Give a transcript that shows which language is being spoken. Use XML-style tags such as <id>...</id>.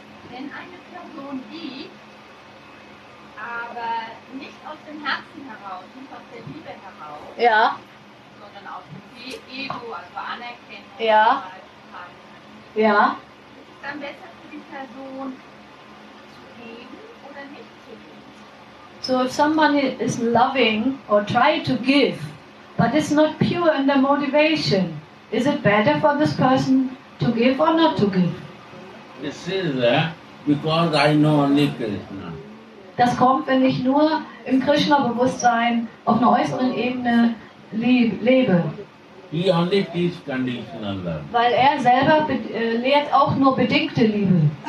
<de>Wenn eine Person die aber nicht aus dem Herzen heraus, nicht aus der Liebe heraus, ja, sondern aus dem Ego, also Anerkennung, ja, ja, ist es dann besser für die Person zu geben oder nicht zu geben?</de> <en>So if someone is loving or try to give, but is not pure in their motivation, is it better for this person to give or not to give? This is because I know only Krishna.</en> <de>Das kommt, wenn ich nur im Krishna-Bewusstsein auf einer äußeren Ebene lebe.</de> <en>He only teach conditional love.</en> <de>Weil er selber lehrt auch nur bedingte Liebe.</de>